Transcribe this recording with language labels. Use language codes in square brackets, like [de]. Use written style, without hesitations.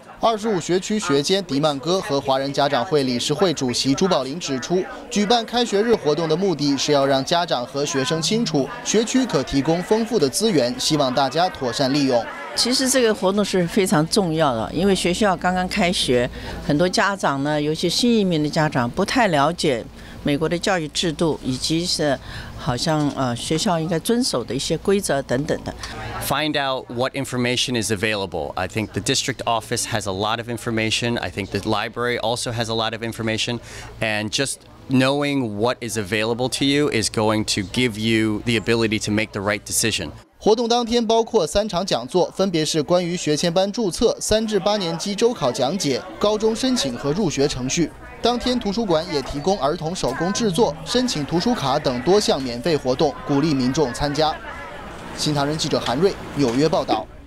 [zh] 25学区学监迪曼哥和华人家长会理事会主席朱宝林指出，举办开学日活动的目的是要让家长和学生清楚学区可提供丰富的资源，希望大家妥善利用。其实这个活动是非常重要的，因为学校刚刚开学，很多家长呢，尤其新移民的家长不太了解美国的教育制度，以及是好像学校应该遵守的一些规则等等的。 [en] Find out what information is available. I think the district office has a lot of information. I think the library also has a lot of information. And just knowing what is available to you is going to give you the ability to make the right decision. [zh] 活动当天包括三场讲座，分别是关于学前班注册、3至8年级周考讲解、高中申请和入学程序。当天图书馆也提供儿童手工制作、申请图书卡等多项免费活动，鼓励民众参加。新唐人记者韩瑞，纽约报道。